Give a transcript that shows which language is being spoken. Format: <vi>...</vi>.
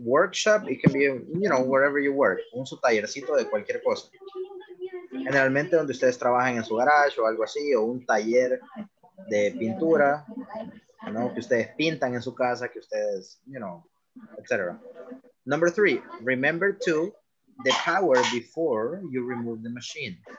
<en>Workshop, it can be, you know, wherever you work.</en> <es>Un su tallercito de cualquier cosa. Generalmente donde ustedes trabajan en su garage o algo así, o un taller de pintura, ¿no? Que ustedes pintan en su casa, que ustedes,</es> <en>you know,</en> <es>etc.</es> <en>Number three, remember to the power before you remove the machine.</en>